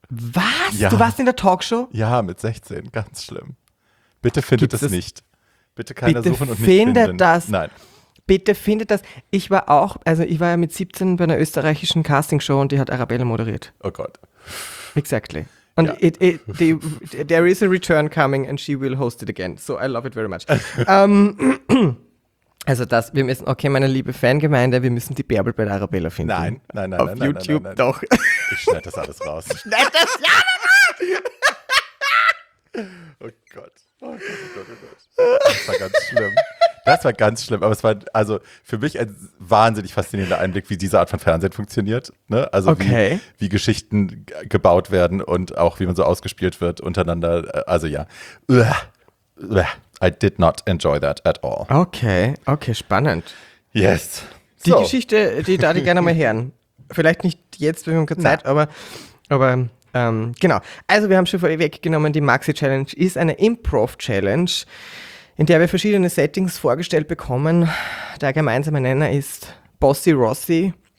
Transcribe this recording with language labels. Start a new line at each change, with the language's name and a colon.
German: Was? Ja. Du warst in der Talkshow? Ja, mit 16, ganz schlimm. Bitte findet das nicht. Bitte keiner bitte suchen und nicht finden. Bitte findet das. Nein. Bitte findet das. Ich war auch, also ich war ja mit 17 bei einer österreichischen Castingshow und die hat Arabella moderiert. Oh Gott. Exactly. Und ja.
English: There is a return coming and she will host it again. So I love it very much.
German: also das, wir müssen, okay, meine liebe Fangemeinde, wir müssen die Bärbel bei der Arabella finden. Nein, nein, nein, auf nein, auf YouTube nein, nein, nein. Doch. Ich schneide das alles raus. Schneid das ja raus! Oh Gott. Oh Gott, oh Gott, oh Gott. Das war ganz schlimm. Das war ganz schlimm, aber es war also für mich ein wahnsinnig faszinierender Einblick, wie diese Art von Fernsehen funktioniert. Ne? Also okay. wie Geschichten gebaut werden und auch wie man so ausgespielt wird untereinander. Also ja,
English: I did not enjoy that at all.
German: Okay, okay, spannend.
English: Yes. So.
German: Die Geschichte, die darf ich gerne mal hören. Vielleicht nicht jetzt, wir haben keine Zeit, aber genau. Also wir haben schon vorher weggenommen, die Maxi-Challenge ist eine Improv-Challenge, in der wir verschiedene Settings vorgestellt bekommen. Der gemeinsame Nenner ist Bossy Rossi.